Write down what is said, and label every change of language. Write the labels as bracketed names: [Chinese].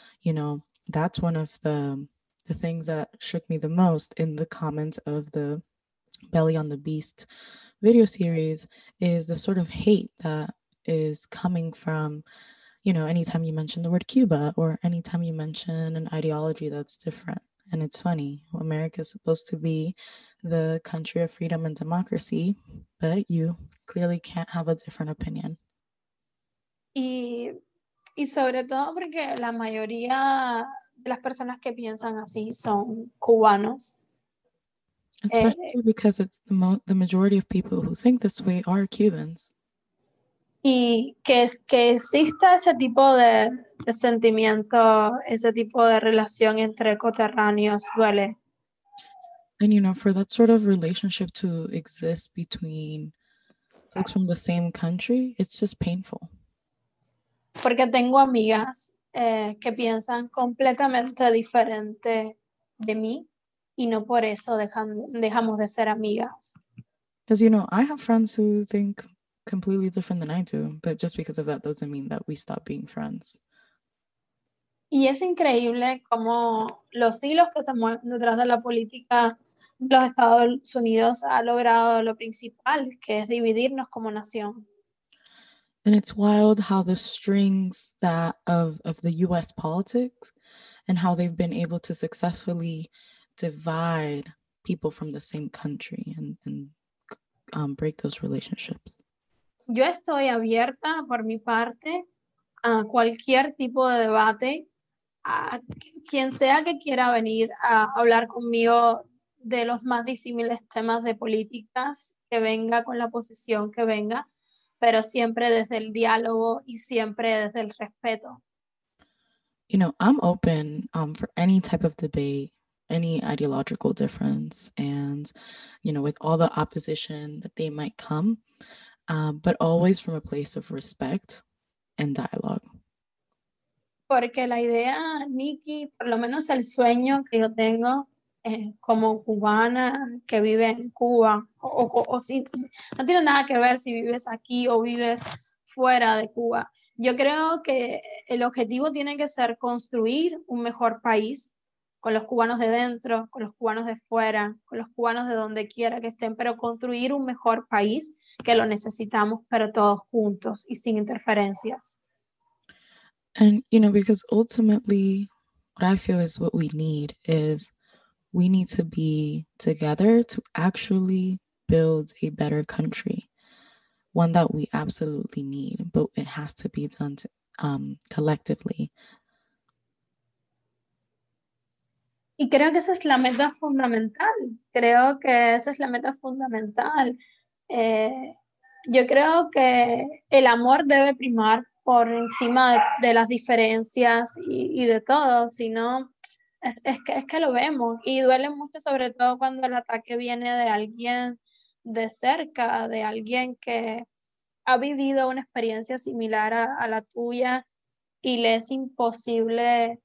[English] You know, that's one of the things that shook me the most in the comments of the Belly on the Beast video series, is the sort of hate that is coming from, you know, anytime you mention the word Cuba or anytime you mention an ideology that's different. And it's funny, America is supposed to be the country of freedom and democracy, but you clearly can't have a different opinion. [Spanish] Y sobre todo porque la mayoría de las personas que piensan así son cubanos. [English] Especially because it's the majority of people who think this way are Cubans. [Spanish] Y que exista ese tipo de sentimiento, ese tipo de relación entre coterráneos duele. [English] And you know, for that sort of relationship to exist between folks from the same country, it's just painful. [Spanish] Porque tengo amigas que piensan completamente diferente de mí. Y no por eso dejamos de ser amigas. [English] Because, you know, I have friends who think completely different than I do, but just because of that doesn't mean that we stop being friends. [Spanish] Y es increíble cómo los hilos que se mueven detrás de la política de los Estados Unidos ha logrado lo principal, que es dividirnos como nación. [English] And it's wild how the strings that of the U.S. politics and how they've been able to successfully divide people from the same country and break those relationships. [Spanish] Yo estoy abierta por mi parte a cualquier tipo de debate, a quien sea que quiera venir a hablar conmigo de los más disímiles temas de políticas, que venga con la posición que venga, pero siempre desde el diálogo y siempre desde el respeto. [English] You know, I'm open for any type of debate, any ideological difference, and, you know, with all the opposition that they might come, but always from a place of respect and dialogue. [Spanish] Porque la idea, Nikki, por lo menos el sueño que yo tengo como cubana que vive en Cuba, o si no tiene nada que ver si vives aquí o vives fuera de Cuba. Yo creo que el objetivo tiene que ser construir un mejor país con los cubanos de dentro, con los cubanos de fuera, con los cubanos de donde quiera que estén, pero construir un mejor país que lo necesitamos, pero todos juntos y sin interferencias. [English] And, you know, because ultimately what I feel is what we need is we need to be together to actually build a better country, one that we absolutely need, but it has to be done collectively. [Spanish] Y creo que esa es la meta fundamental. Creo que esa es la meta fundamental. Yo creo que el amor debe primar por encima de las diferencias y de todo, sino es que lo vemos y duele mucho, sobre todo cuando el ataque viene de alguien de cerca, de alguien que ha vivido una experiencia similar a la tuya y le es imposible.